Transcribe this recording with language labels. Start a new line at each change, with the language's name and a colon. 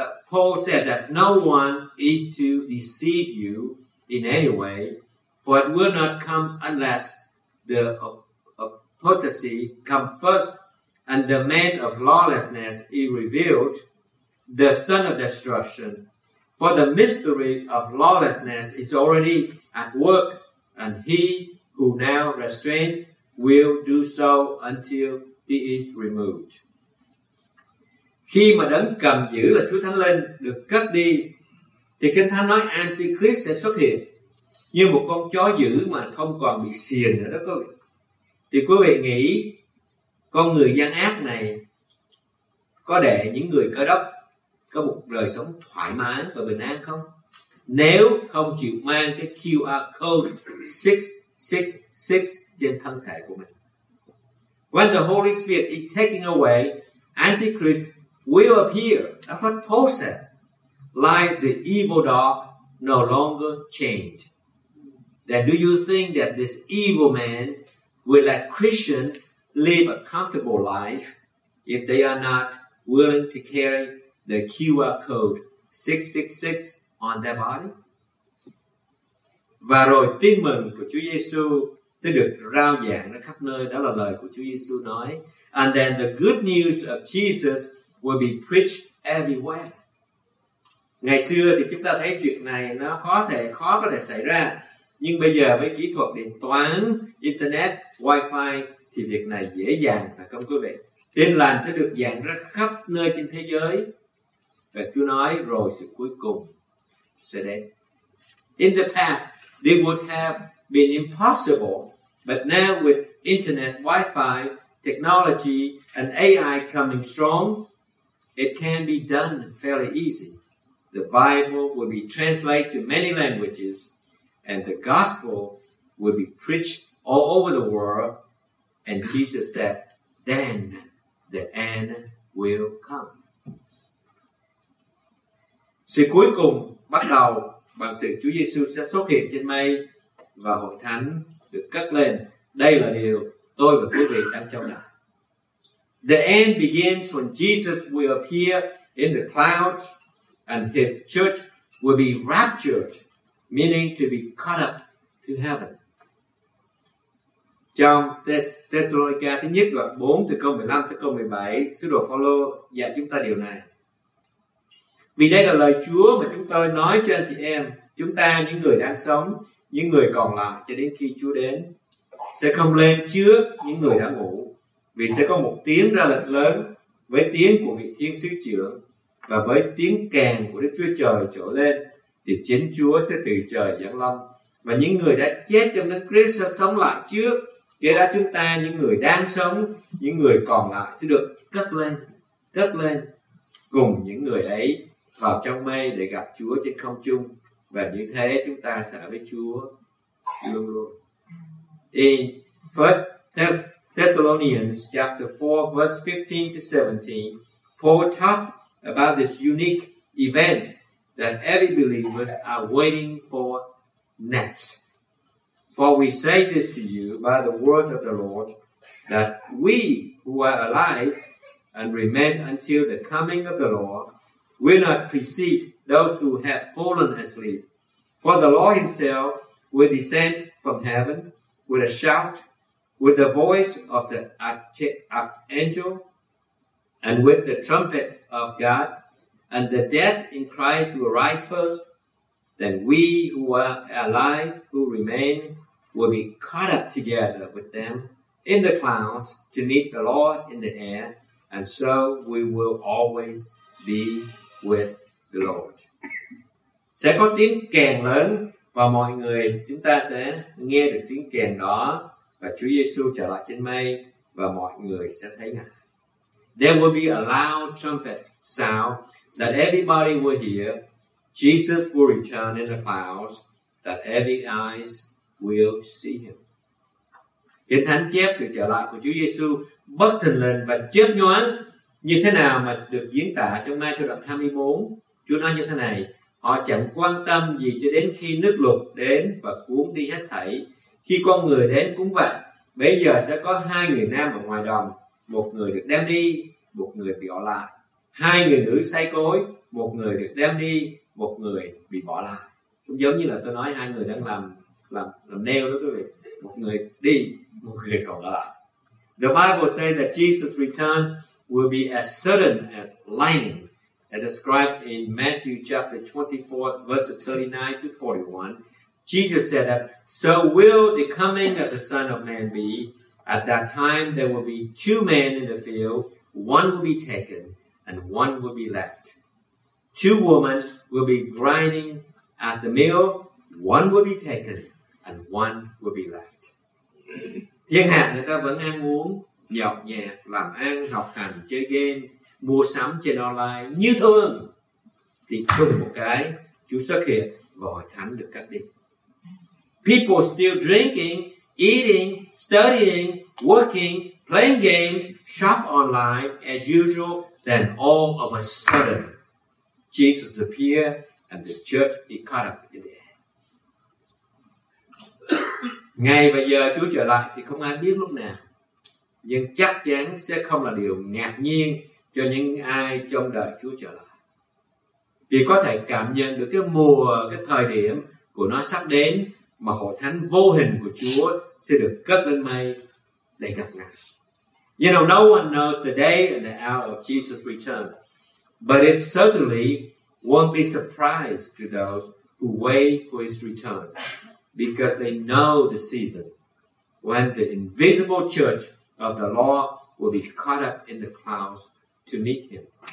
English: Paul said that no one is to deceive you in any way, for it will not come unless the apostasy come first, and the man of lawlessness is revealed, the son of destruction. For the mystery of lawlessness is already at work, and he who now restrains will do so until he is removed.
Vietnamese: Khi mà Đấng cầm giữ là Chúa Thánh Linh được cất đi, thì Kinh Thánh nói Antichrist sẽ xuất hiện như một con chó dữ mà không còn bị xiềng nữa đó quý vị. Thì quý vị nghĩ con người gian ác này có để những người Cơ Đốc có một đời sống thoải mái và bình an không? Nếu không chịu mang cái QR code 666 trên thân thể của mình.
English: When the Holy Spirit is taken away, Antichrist will appear, that's what Paul said, like the evil dog, no longer chained. Then do you think that this evil man will let Christians live a comfortable life if they are not willing to carry the QR code 666 on their body?
Vietnamese: Và rồi tin mừng của Chúa Giêsu sẽ được rao giảng ở khắp nơi, đó là lời của Chúa Giêsu nói.
English: And then the good news of Jesus will be preached everywhere.
Vietnamese: Ngày xưa thì chúng ta thấy chuyện này nó khó có thể xảy ra. Nhưng bây giờ với kỹ thuật điện toán, internet, wifi thì việc này dễ dàng, phải không quý vị? Tin lành sẽ được giảng ra khắp nơi trên thế giới. Và Chúa nói rồi sự cuối cùng sẽ đến.
English: In the past, this would have been impossible. But now with internet, wifi, technology and AI coming strong, it can be done fairly easy. The Bible will be translated to many languages, and the gospel will be preached all over the world. And Jesus said, then the end will come.
Vietnamese: Sự cuối cùng bắt đầu bằng sự Chúa Giêsu sẽ xuất hiện trên mây và hội thánh được cất lên. Đây là điều tôi và quý vị đang trong đợi.
English: The end begins when Jesus will appear in the clouds and his church will be raptured, meaning to be caught up to heaven.
Vietnamese: Trong Thessalonica thứ nhất đoạn 4 từ câu 15 tới câu 17, sứ đồ Phaolô dạy chúng ta điều này. Vì đây là lời Chúa mà chúng tôi nói cho anh chị em, chúng ta những người đang sống, những người còn lại cho đến khi Chúa đến, sẽ không lên trước những người đã ngủ. Vì sẽ có một tiếng ra lệnh lớn với tiếng của vị thiên sứ trưởng và với tiếng kèn của Đức Chúa Trời trỗi lên, thì chính Chúa sẽ từ trời giáng lâm và những người đã chết trong Đấng Christ sẽ sống lại trước. Kể đó chúng ta, những người đang sống, những người còn lại sẽ được cất lên cùng những người ấy vào trong mây để gặp Chúa trên không trung. Và như thế chúng ta sẽ với Chúa luôn luôn.
English: In 1 Thessalonians chapter 4 verse 15 to 17, Paul talked about this unique event that every believers are waiting for next. For we say this to you by the word of the Lord, that we who are alive and remain until the coming of the Lord will not precede those who have fallen asleep. For the Lord himself will descend from heaven with a shout, with the voice of the archangel, and with the trumpet of God, and the dead in Christ will rise first. Then we who are alive, who remain, will be caught up together with them in the clouds to meet the Lord in the air, and so we will always be with the Lord.
Vietnamese: Sẽ có tiếng kèn lớn, và mọi người chúng ta sẽ nghe được tiếng kèn đó, và Chúa Giêsu trở lại trên mây, và mọi người sẽ thấy Ngài.
English: There will be a loud trumpet sound that everybody will hear. Jesus will return in the clouds that every eyes will see him.
Vietnamese: Kinh Thánh chép sự trở lại của Chúa Giêsu bất thình lình và chớp nhoáng như thế nào mà được diễn tả trong Ma-thi-ơ chương 24. Chúa nói như thế này: họ chẳng quan tâm gì cho đến khi nước lụt đến và cuốn đi hết thảy. Khi con người đến cũng vậy. Bây giờ sẽ có hai người nam ở ngoài đồng, một người được đem đi, một người bị bỏ lại. Hai người nữ say cối, một người được đem đi, một người bị bỏ lại. Cũng giống như là tôi nói hai người đang làm nail đó quý vị. Một người đi, một người còn lại.
English: The Bible says that Jesus' return will be as sudden as lightning, as described in Matthew chapter 24, verses 39 to 41. Jesus said that, so will the coming of the Son of Man be. At that time there will be two men in the field, one will be taken and one will be left. Two women will be grinding at the mill, one will be taken and one will be left.
Vietnamese: Thiên hạ người ta vẫn ăn uống, nhậu nhẹt, làm ăn, học hành, chơi game, mua sắm trên online như thường. Thì cùng một cái, Chúa xuất hiện và hội thánh được cắt đi.
English: People still drinking, eating, studying, working, playing games, shop online as usual. Then all of a sudden, Jesus appeared and the church is caught up in the air.
Vietnamese: Ngày và giờ Chúa trở lại thì không ai biết lúc nào. Nhưng chắc chắn sẽ không là điều ngạc nhiên cho những ai trong đời Chúa trở lại. Vì có thể cảm nhận được cái mùa, cái thời điểm của nó sắp đến mà hội thánh vô hình của Chúa sẽ được cất lên mây để gặp Ngài.
English: You know, no one knows the day and the hour of Jesus' return, but it certainly won't be a surprise to those who wait for his return, because they know the season when the invisible church of the Lord will be caught up in the clouds to meet him.